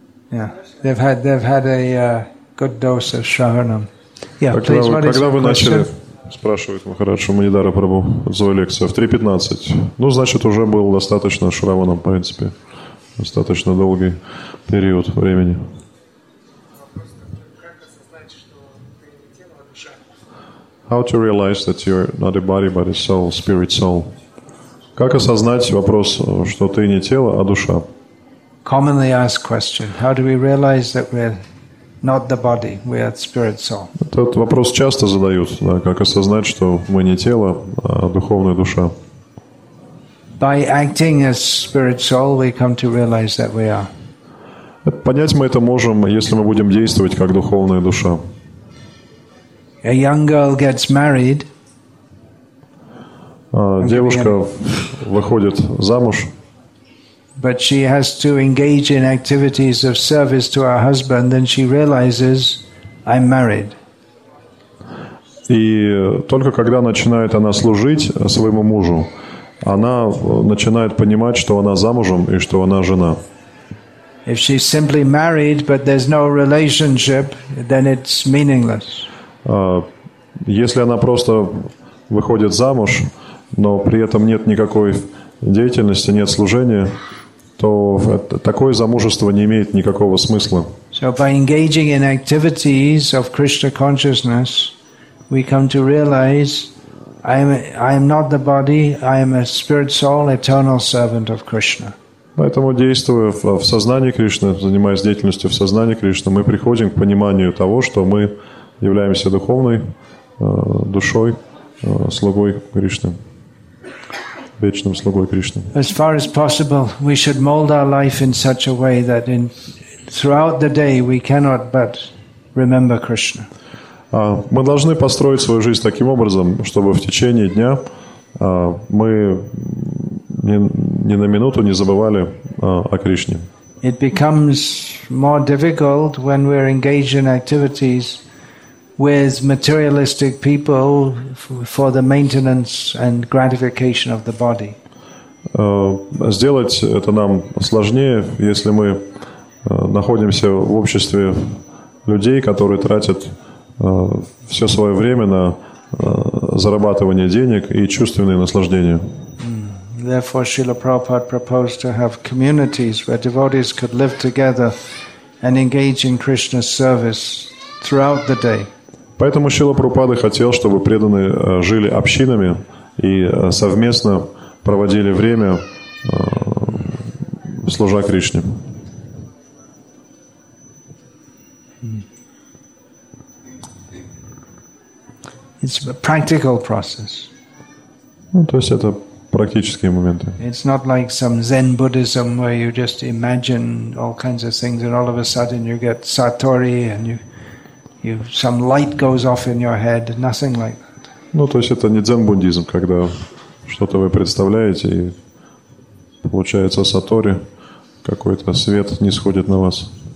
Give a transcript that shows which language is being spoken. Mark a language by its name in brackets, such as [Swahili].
[English] Yeah, they've had a good dose of Shravanam. Yeah, [Russian] когда [English] please, what [Russian] вы, [English] is [Russian] когда вы [English] question? [Russian] Начали, спрашивает Махарадж, что Манидара Прабу отзывал лекцию в 3:15. Ну, значит, уже был достаточно Шраванам, в принципе, достаточно долгий период времени. [English] How to realize that you're not a body, but a soul, spirit soul? [Russian] Как осознать вопрос, что ты не тело, а душа? [English] Commonly asked question. How do we realize that we're not the body, we are spirit soul? [Russian] Этот вопрос часто задают, да, как осознать, что мы не тело, а духовная душа? [English] By acting as spirit soul, we come to realize that we are. [Russian] Понять мы это можем, если мы будем действовать как духовная душа. [English] A young girl gets married. [Russian] Девушка выходит замуж. [English] But she has to engage in activities of service to her husband, then she realizes, I'm married. [Russian] И только когда начинает она служить своему мужу, она начинает понимать, что она замужем и что она жена. [English] If she's simply married, but there's no relationship, then it's meaningless. [Russian] Если она просто выходит замуж, но при этом нет никакой деятельности, нет служения, то такое замужество не имеет никакого смысла. [English] So by engaging in activities of Krishna consciousness, we come to realize I am not the body, I am a spirit soul, eternal servant of Krishna. [Russian] Поэтому, действуя в сознании Кришны, занимаясь деятельностью в сознании Кришны, мы приходим к пониманию того, что мы являемся духовной душой, слугой Кришны, вечным слугой Кришны. [English] As far as possible, we should mold our life in such a way that in throughout the day we cannot but remember Krishna. [Russian] Мы должны построить свою жизнь таким образом, чтобы в течение дня мы ни на минуту не забывали о Кришне. [English] It becomes more difficult when we're engaged in activities with materialistic people for the maintenance and gratification of the body. [Russian] Сделать это нам сложнее, если мы находимся в обществе людей, которые тратят все свое время на зарабатывание денег и чувственные наслаждения. [English] Therefore, Srila Prabhupada proposed to have communities where devotees could live together and engage in Krishna's service throughout the day. [Russian] Поэтому Шрила Прабхупада хотел, чтобы преданные жили общинами и совместно проводили время, служа Кришне. [English] It's a practical process. [Russian] Ну, то есть это практические моменты. [English] It's not like some Zen Buddhism where you just imagine all kinds of things and all of a sudden you get Satori and you some light goes off in your head, nothing like that. [Russian] Ну, то есть это не дзен-буддизм, когда что-то вы представляете и получается сатори, какой-то свет нисходит на вас.